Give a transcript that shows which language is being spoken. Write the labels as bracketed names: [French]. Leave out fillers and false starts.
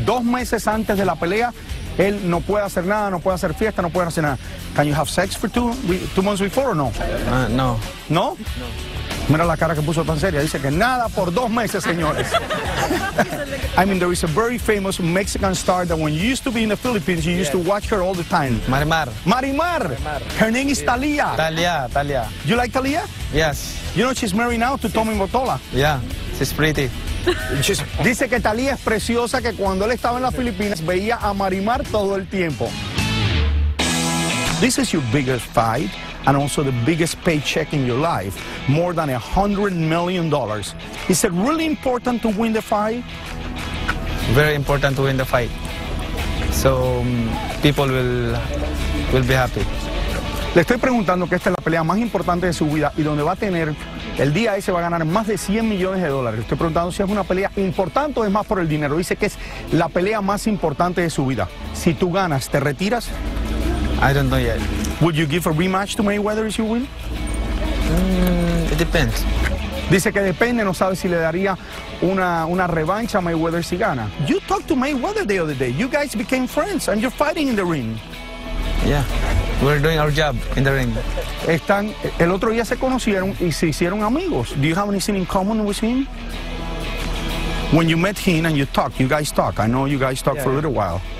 [Spanish] 2 meses antes de la pelea, él no puede hacer nada, no puede hacer fiesta, no puede hacer nada. [English] Can you have sex for two months before or no? No. No? No. [Spanish] Mira la cara que puso tan seria, dice que nada por 2 meses, señores. [English] I mean, there is a very famous Mexican star that when you used to be in the Philippines, you used to watch her all the time. Marimar. Marimar. Her name is Thalia. Thalia, Thalia. You like Thalia? Yes. You know she's married now to Tommy Mottola. Yeah, she's pretty. [Spanish] Dice que Thalia es preciosa, que cuando él estaba en las Filipinas veía a Marimar todo el tiempo. [English] This is your biggest fight and also the biggest paycheck in your life, more than $100 million. Is it really important to win the fight? Very important to win the fight. So people will be happy. [Spanish] Le estoy preguntando que esta es la pelea más importante de su vida y donde va a tener, el día ese va a ganar más de $100 millones. Le estoy preguntando si es una pelea importante o es más por el dinero. Dice que es la pelea más importante de su vida. Si tú ganas, ¿te retiras? [English] I don't know yet. Would you give a rematch to Mayweather if you win? It depends. [Spanish] Dice que depende, no sabe si le daría una revancha a Mayweather si gana. [English] You talked to Mayweather the other day. You guys became friends and you're fighting in the ring. Yeah, we're doing our job in the ring. [Spanish] Están, el otro día se conocieron y se hicieron amigos. [English] Do you have anything in common with him? When you met him and you guys talk. I know you guys talk for a little while.